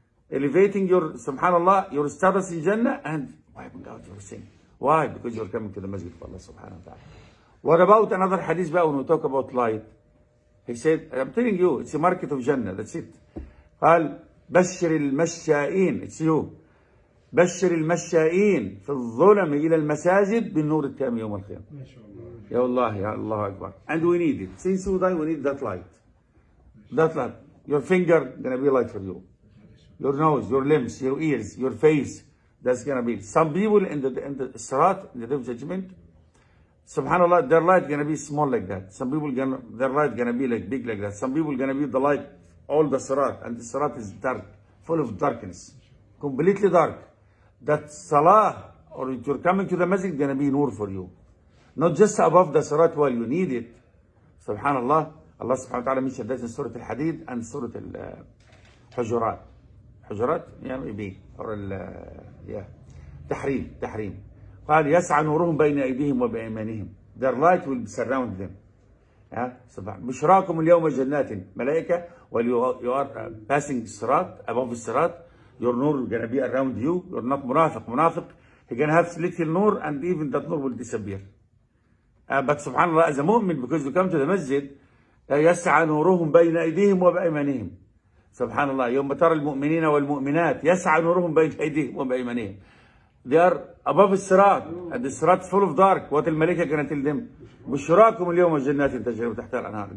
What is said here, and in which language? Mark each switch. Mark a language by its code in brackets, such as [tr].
[en] Elevating your, subhanAllah, your status in Jannah and wiping out your sin. Why? Because you're coming to the masjid of Allah, subhanahu wa ta'ala. What about another hadith about when we talk about light? He said, I'm telling you, it's a market of Jannah, that's it. [ar] قال, بشر المشائين, [en] it's you. [ar] بشر المشائين في الظلم إلى المساجد بالنور التام يوم القيامة. [en] Ya Allah, Ya Allah Akbar. And we need it. Since we die, we need that light. That light. Your finger gonna be light for you. your nose, your limbs, your ears, your face. That's gonna be some people in the Sirat, in the Day of Judgment. Subhanallah, their light gonna be small like that. Some people their light gonna be like big like that. Some people gonna be the light, all the Sirat, and the Sirat is dark, full of darkness, completely dark. That Salah, or if you're coming to the Masjid, gonna be nur for you. Not just above the Sirat while you need it. Subhanallah, Allah subhanahu wa ta'ala mentioned that in Surah Al-Hadid and Surah Al-Hujurat. Hujurat, yeah, maybe, or yeah, Tahrim. [ar] قال يسعى نورهم بين أيديهم وبأيمانهم. [en] Their light will surround them. [ar] بشراكم اليوم جنات ملائكة. [en] While you are passing Sirat, above Sirat, your nur is going to be around you. You're not munafiq. Munafiq, he's going to have little nur and even that nur will disappear. But subhanAllah, as a mu'min, because you come to the masjid, [ar] يسعى نورهم بين أيديهم وبأيمانهم. SubhanAllah, يوم ترى المؤمنين والمؤمنات يسعى نورهم بين أيديهم وبأيمانهم. [en] They are above the Sirat, and the Sirat is full of dark. What the Malika gonna tell them? [ar] بشراكم اليوم الجنات تجري تحت الأنهار.